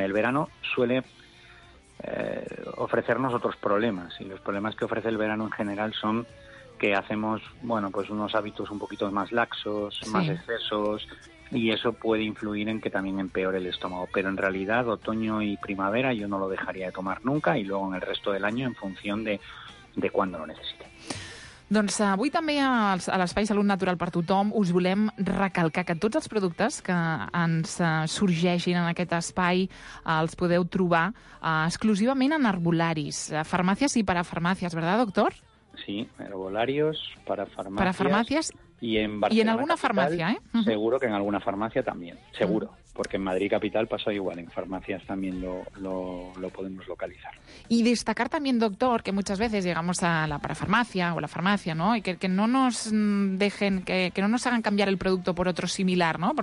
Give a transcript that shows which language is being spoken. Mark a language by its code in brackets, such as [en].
[es] El verano suele ofrecernos otros problemas y los problemas que ofrece el verano en general son que hacemos, bueno, pues unos hábitos un poquito más laxos, sí. Más excesos. Y eso puede influir en que también empeore el estómago. Pero en realidad, otoño y primavera yo no lo dejaría de tomar nunca y luego en el resto del año en función de cuándo lo necesite. [ca] Doncs avui també a l'Espai Salut Natural per Tothom us volem recalcar que tots els productes que ens sorgeixin en aquest espai els podeu trobar exclusivament en Herbolaris, farmàcies i parafarmàcies, [es] ¿verdad, doctor? [ca] Sí, Herbolaris, parafarmàcies... Parafarmàcies... [es] Y en Barcelona y en alguna capital, farmacia, ¿eh? Uh-huh. Seguro que en alguna farmacia también, seguro. Uh-huh. Porque en Madrid capital pasa igual, en farmacias también lo podemos localizar. Y destacar también, doctor, que muchas veces llegamos a la parafarmacia o la farmacia, ¿no? Y que no nos dejen, que no nos hagan cambiar el producto por otro similar, ¿no?